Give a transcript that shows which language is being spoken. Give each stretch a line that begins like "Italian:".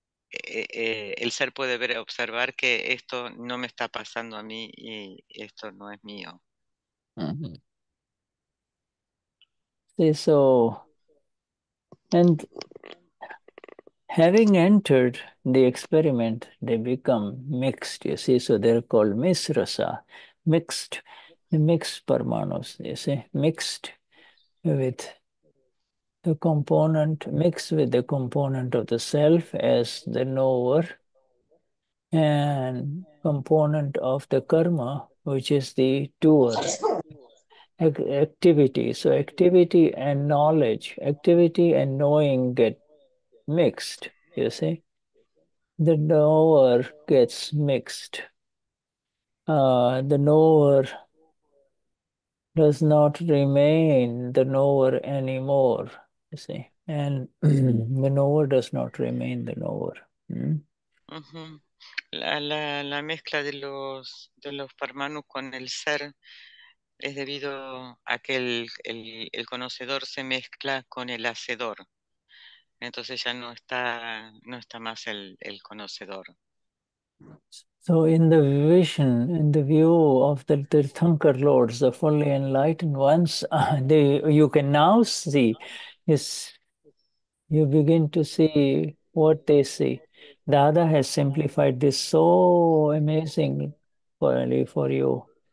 Spanish: El ser puede ver, observar que esto no me está pasando a mí y esto no es mío.
English: See, so, and having entered the experiment, they become mixed, you see, so they're called misrasa, mixed, the mixed parmanos, you see, mixed with the component, mixed with the component of the self as the knower, and component of the karma, which is the doer, activity. So activity and knowledge, activity and knowing get mixed, you see. The knower gets mixed. The knower does not remain the knower anymore. You see, and the knower does not remain the knower.
Spanish: La mezcla de los parmanus con el ser es debido a que el conocedor se mezcla con el hacedor. Entonces ya no está más el conocedor.
English: So in the vision, in the view of the Tirthankar lords, the fully enlightened ones, you can now see, is you begin to see what they see. Dada has simplified this so amazingly for you.